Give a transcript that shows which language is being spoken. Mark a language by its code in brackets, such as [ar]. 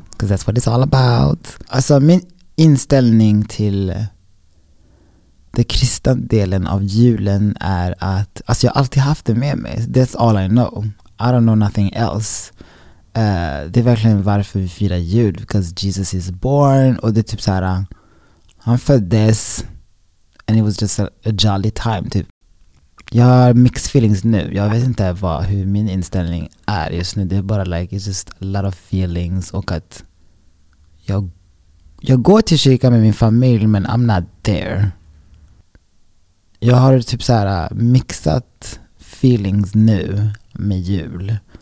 [en] Because that's what it's all about. [sv] Alltså min inställning till den kristna delen av julen är att, alltså jag har alltid haft det med mig. [en] That's all I know. I don't know nothing else. [sv] Det är verkligen varför vi firar jul. [en] Because Jesus is born. [sv] Och det är typ så här, han föddes. [en] And it was just a jolly time typ. [sv] Jag har [en] mixed feelings [sv] nu. Jag vet inte hur min inställning är just nu. Det är bara [en] like, it's just a lot of feelings. [sv] Och att jag går till kyrkan med min familj, men [en] I'm not there. [sv] Jag har typ så här mixat feelings nu med jul.